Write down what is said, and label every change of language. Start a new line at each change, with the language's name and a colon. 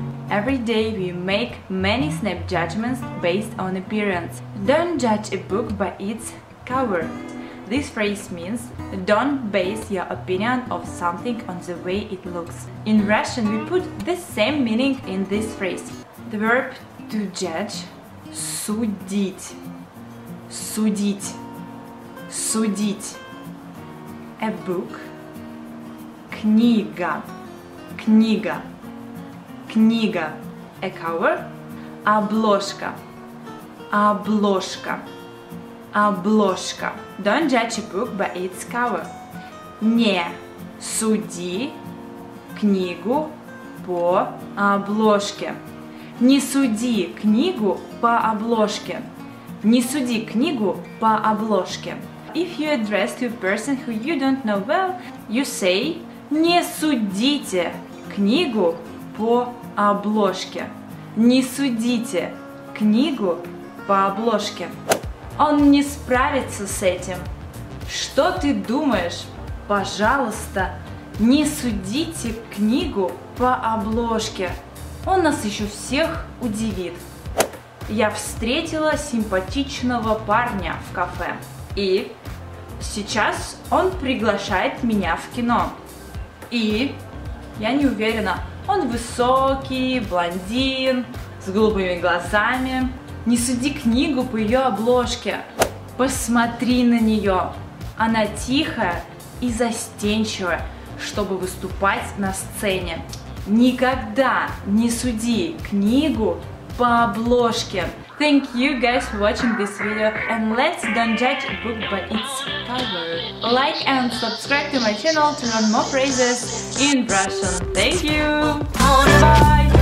English: Every day we make many snap judgments based on appearance. Don't judge a book by its cover. This phrase means don't base your opinion of something on the way it looks. In Russian we put the same meaning in this phrase. The verb to judge,
Russian: судить, судить, судить.
English: A book,
Russian: книга, книга, книга.
English: A cover,
Russian: обложка, обложка, обложка.
English: Don't judge a book by its cover.
Russian: Не суди книгу по обложке. Не суди книгу по обложке. Не суди книгу по обложке.
English: If you address to a person who you don't know well, you say:
Russian: не судите книгу по обложке. Не судите книгу по обложке. Он не справится с этим. Что ты думаешь? Пожалуйста, не судите книгу по обложке. Он нас еще всех удивит. Я встретила симпатичного парня в кафе. И сейчас он приглашает меня в кино. И я не уверена, он высокий, блондин, с голубыми глазами. Не суди книгу по ее обложке. Посмотри на нее. Она тихая и застенчивая, чтобы выступать на сцене. Никогда не суди книгу по обложке.
English: Thank you guys for watching this video. And let's don't judge a book by its cover. Like and subscribe to my channel to learn more phrases in Russian. Thank you. Bye.